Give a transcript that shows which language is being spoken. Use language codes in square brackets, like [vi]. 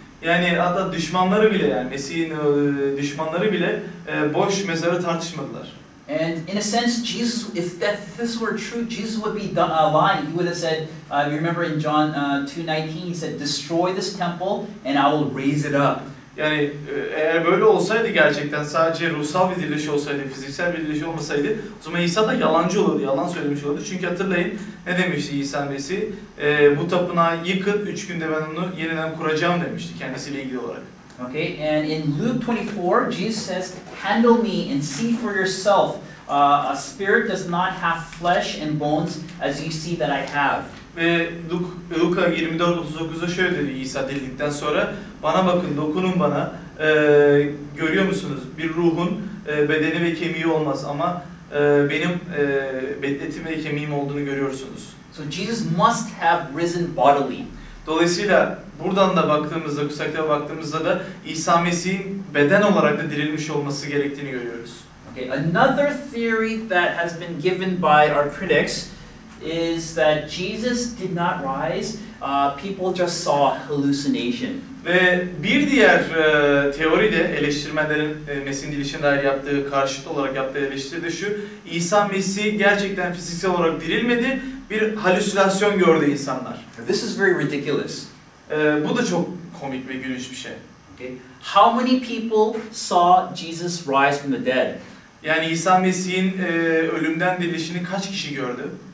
[tr] Yani hatta düşmanları bile, yani Mesih'in düşmanları bile boş mezarı tartışmadılar. [en] And in a sense, Jesus, if that this were true, Jesus would be lying. He would have said, you remember in John 2:19, he said, "Destroy this temple, and I will raise it up." [tr] Yani eğer böyle olsaydı gerçekten sadece ruhsal bir diriliş olsaydı, fiziksel bir diriliş olmasaydı, o zaman İsa da yalancı olurdu, yalan söylemiş olurdu. Çünkü hatırlayın ne demişti İsa Mesih? Bu tapınağı yıkın, 3 günde ben onu yeniden kuracağım demişti kendisiyle ilgili olarak. [en] Okay, and in Luke 24, Jesus says, "Handle me and see for yourself. A spirit does not have flesh and bones as you see that I have." [tr] Ve Luka 24:39'da şöyle dedi İsa dildikten sonra, "Bana bakın, dokunun bana. Görüyor musunuz? Bir ruhun bedeni ve kemiği olmaz ama benim etim ve kemiğim olduğunu görüyorsunuz." [en] So Jesus must have risen bodily. [tr] Dolayısıyla buradan da baktığımızda, kutsaklara baktığımızda da İsa Mesih'in beden olarak da dirilmiş olması gerektiğini görüyoruz. [en] Okay, another theory that has been given by our critics is that Jesus did not rise. People just saw hallucination. [tr] Ve bir diğer teori de eleştirmenlerin Mesih'in dirilişine dair yaptığı, karşıt olarak yaptığı eleştiri de şu: İsa Mesih gerçekten fiziksel olarak dirilmedi, bir halüsinasyon gördü insanlar. [en] This is very ridiculous. [tr] Bu da çok komik ve gülünç bir şey. [en] Okay. How many people saw Jesus rise from the dead? [tr] Yani İsa Mesih'in ölümden dirilişini kaç kişi gördü?